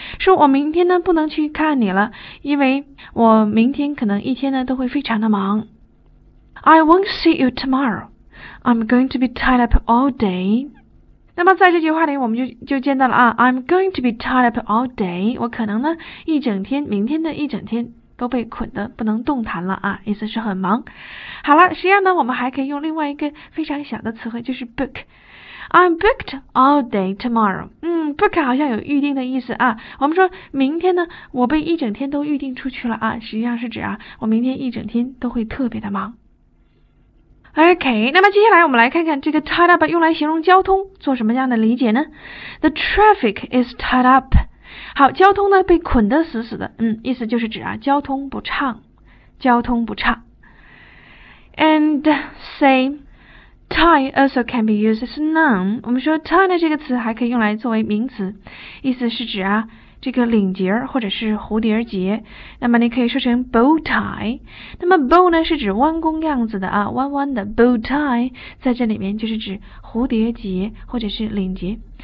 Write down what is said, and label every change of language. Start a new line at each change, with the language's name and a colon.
Chinese: 说我明天呢不能去看你了，因为我明天可能一天呢都会非常的忙。
English: I won't see you tomorrow. I'm going to be tied up all day.
Chinese: 那么在这句话里，我们就见到了啊，
English: I'm going to be tied up all day.
Chinese: 我可能呢一整天，明天的一整天都被捆得不能动弹了啊，意思是很忙。好了，实际上呢，我们还可以用另外一个非常小的词汇，就是 book.
English: I'm booked all day tomorrow. Book
Chinese: 好像有预定的意思啊。我们说明天呢，我被一整天都预定出去了啊。实际上是指啊，我明天一整天都会特别的忙。 Okay, 那么接下来我们来看看这个 tied up 用来形容交通做什么样的理解呢 ？
English: The traffic is tied up.
Chinese: 好，交通呢被捆得死死的，意思就是指啊交通不畅，交通不畅。
English: And same, tie also can be used as a noun.
Chinese: 我们说 tie 呢这个词还可以用来作为名词，意思是指啊这个领结或者是蝴蝶结，那么你可以说成 bow tie。那么 bow 呢是指弯弓样子的啊，弯弯的 bow tie， 在这里面就是指蝴蝶结或者是领结。